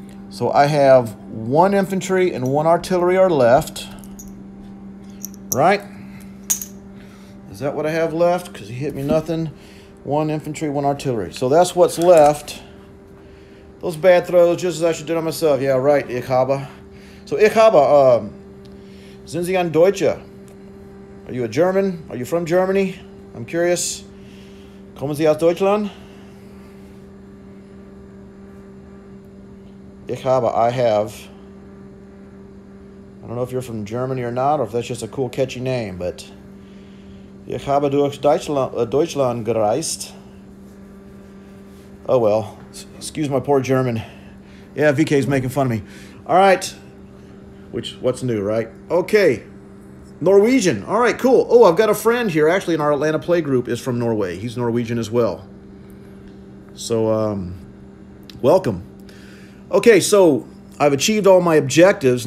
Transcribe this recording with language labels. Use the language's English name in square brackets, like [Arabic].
[English] So I have one infantry and one artillery are left. Right? Is that what I have left? Because he hit me nothing. One infantry, one artillery. So that's what's left. Those bad throws, just as I should do it myself. Yeah, right, Ichaba. So Ichaba, [German] sind Sie ein Deutscher? [English] Are you a German? Are you from Germany? I'm curious. [German] Kommen Sie aus Deutschland? [English] I have. I don't know if you're from Germany or not, or if that's just a cool, catchy name, but. [German] Ich habe durch Deutschland gereist. [English] Oh, well. Excuse my poor German. Yeah, VK's making fun of me. All right. Which, what's new, right? Okay. Norwegian. All right, cool. Oh, I've got a friend here, actually, in our Atlanta play group is from Norway. He's Norwegian as well. So, welcome. Okay, so I've achieved all my objectives.